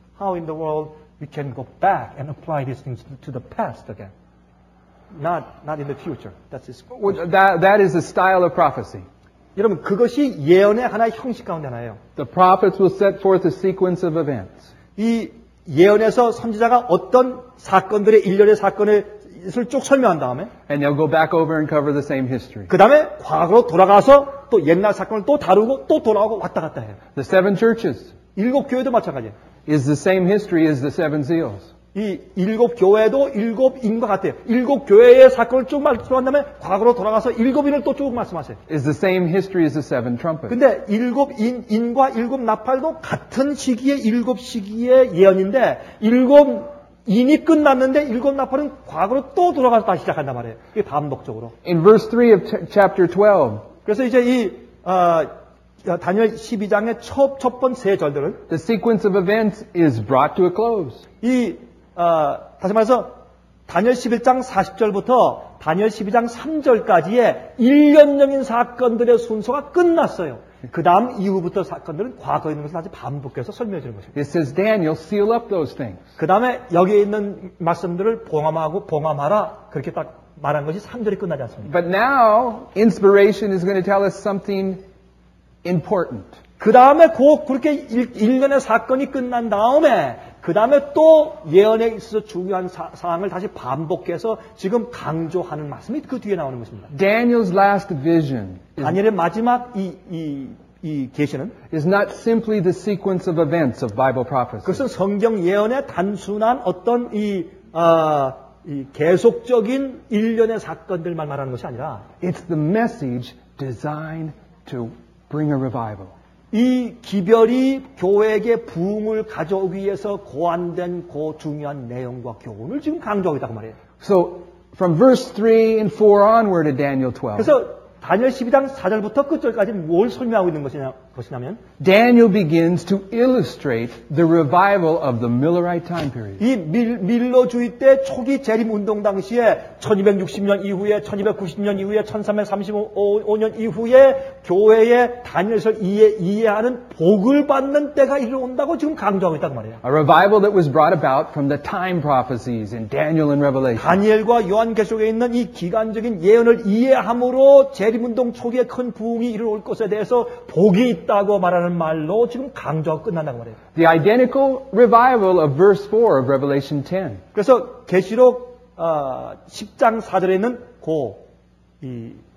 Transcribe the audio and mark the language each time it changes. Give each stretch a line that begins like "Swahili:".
English: How in the world we can go back and apply these things to the past again? Not in the future. That's his that is the style of prophecy.
Korean: 여러분 그것이 예언의 하나의 형식 가운데 하나예요.
English: The prophets will set forth a sequence of events.
Korean: 이 예언에서 선지자가 어떤 사건들의 일련의 사건을 쭉 설명한 다음에
English: and they'll go back over and cover the same history.
Korean: 그다음에 과거로 돌아가서 또 옛날 사건을 또 다루고 또 돌아오고 왔다 갔다 해요.
English: The seven churches.
Korean: 일곱 교회도 마찬가지예요.
English: Is the same history as the seven seals.
Korean: 이 일곱 교회도 일곱인 것 같아요. 일곱 교회의 사건을 쭉 말씀한 다음에 과거로 돌아가서 일곱인을 또 쭉 말씀하세요.
English: It's the same history as the seven trumpets.
Korean: 근데 일곱인과 일곱 나팔도 같은 시기에 일곱 시기의 예언인데 일곱인이 끝났는데 일곱 나팔은 과거로 또 돌아가서 다시 시작한단 말이에요. 이게 반복적으로.
English: In verse 3 of chapter 12.
Korean: 그래서 이제 이 다니엘 12장의 첫 번째 절들은
English: The sequence of events is brought to a close.
Korean: 이 다시 말해서 다니엘 11장 40절부터 다니엘 12장 3절까지의 일련적인 사건들의 순서가 끝났어요. 그 다음 이후부터 사건들은 과거에 있는 것을 다시 반복해서 설명해 주는 것입니다.
English: It says Daniel, seal up those things.
Korean: 그 다음에 여기에 있는 말씀들을 봉함하고 봉함하라 그렇게 딱 말한 것이 3절이 끝나지 않습니다.
English: But now inspiration is going to tell us something important.
Korean: 그 다음에 그렇게 일련의 사건이 끝난 다음에 그 다음에 또 예언에 있어서 중요한 사항을 다시 반복해서 지금 강조하는 말씀이 그 뒤에 나오는 것입니다.
English: Daniel's last vision.
Korean: 다니엘의 마지막 이 계시는
English: is not simply the sequence of events of Bible prophecy.
Korean: 그것은 성경 예언의 단순한 어떤 이 계속적인 일련의 사건들만 말하는 것이 아니라
English: it's the message designed to bring a revival.
Korean: 이 기별이 교회에게 부흥을 가져오기 위해서 고안된 그 중요한 내용과 교훈을 지금 강조하고 있다고 말해요.
English: So from verse 3 and 4 onward to Daniel 12.
Korean: 그래서 다니엘 12장 4절부터 끝절까지 뭘 설명하고 있는 것이냐면
English: Daniel begins to illustrate the revival of the Millerite time period.
Korean: 이 밀러주의 때 초기 재림 운동 당시에 1260년 이후에 1290년 이후에 1335년 이후에 교회의 다니엘서 이해하는 복을 받는 때가 이르렀다고 지금 강조하고 있다고 말해요.
English: A revival that was brought about from the time prophecies in Daniel and Revelation.
Korean: 다니엘과 요한계시록에 있는 이 기간적인 예언을 이해함으로 재림 운동 초기에 큰 부흥이 이르올 것에 대해서 복이 있다고 말하는 말로 지금 강조가 끝난다고 말해요.
English: The identical revival of verse 4 of Revelation 10.
Korean: 그래서 계시록 10장 4절에 있는 그 이